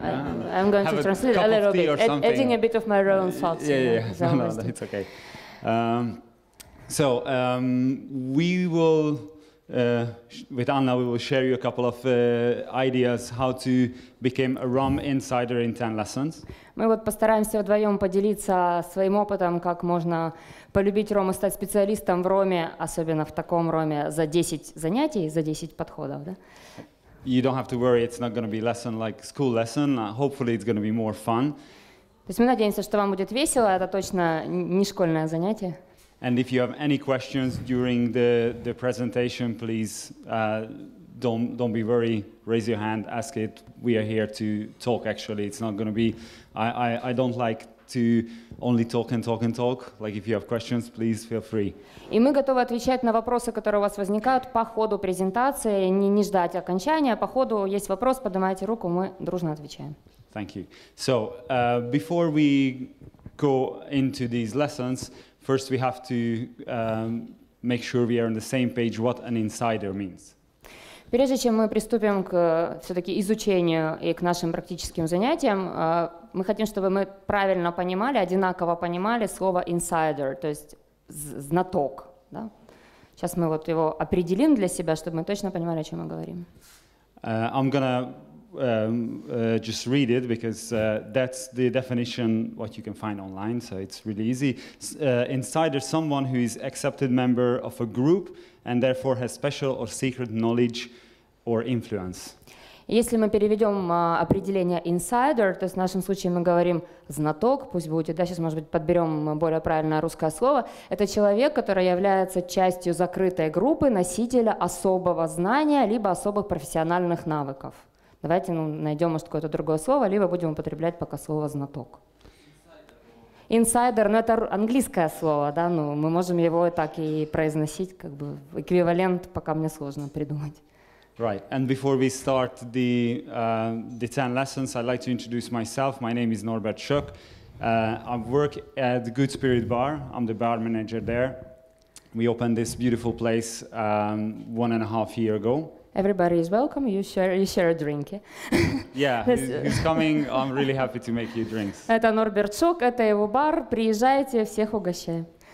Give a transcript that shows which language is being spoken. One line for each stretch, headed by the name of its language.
English: I'm going to translate a little bit. Adding a bit of my own thoughts. No, it's okay. So we will, with Anna, we will share you a couple of ideas how to become a ROM insider in 10 lessons.
Russian: Мы вот постараемся вдвоем поделиться своим опытом, как можно полюбить ROM и стать специалистом в ROM, особенно в таком ROM, за 10 занятий, за 10 подходов, да?
English: You don't have to worry, it's not going to be lesson like school lesson. Hopefully, it's going to be more fun.
Russian: То есть мы надеемся, что вам будет весело, это точно не школьное занятие.
English: And if you have any questions during the presentation, please don't be worried. Raise your hand, ask it. We are here to talk, actually. It's not going to be... I don't like to only talk. Like, if you have questions, please feel free.
Russian: И мы готовы отвечать на вопросы, которые у вас возникают по ходу презентации, не ждать окончания. По ходу есть вопрос, поднимайте руку, мы дружно отвечаем.
English: Thank you. So, before we go into these lessons, first we have to make sure we are on the same page what an insider means.
Russian: Прежде чем мы приступим к все-таки изучению и к нашим практическим занятиям, мы хотим, чтобы мы правильно понимали, одинаково понимали слово insider, то есть знаток. Да? Сейчас мы вот его определим для себя, чтобы мы точно понимали, о чем мы говорим.
English: I'm gonna just read it, because that's the definition what you can find online, so it's really easy. Insider, someone who is accepted member of a group and therefore has special or secret knowledge or influence.
Russian: Если мы переведем определение insider, то есть в нашем случае мы говорим знаток, пусть будет, да, сейчас, может быть, подберем более правильное русское слово, это человек, который является частью закрытой группы, носителя особого знания либо особых профессиональных навыков. Давайте найдем, может, какое-то другое слово, либо будем употреблять пока слово «знаток». Insider, ну это английское слово, да, ну мы можем его так и произносить, как бы эквивалент, пока мне сложно придумать.
English: Right, and before we start the 10 lessons, I'd like to introduce myself. My name is Norbert Schuck. I work at the Good Spirit Bar. I'm the bar manager there. We opened this beautiful place 1.5 years ago. Everybody is welcome. You share a drink. Yeah, he's coming. I'm really happy to make you drinks.
Russian: Это Норберт Шок, это его бар. Приезжайте, всех угощаю.